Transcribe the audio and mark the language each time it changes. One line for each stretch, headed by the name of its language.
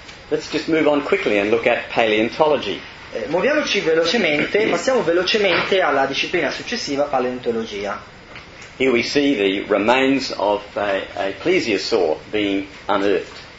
English: Let's just move on quickly and look at paleontology.
Italian: Muoviamoci velocemente, passiamo velocemente alla disciplina successiva, paleontologia.
English: Here we see the remains of a plesiosaur being unearthed.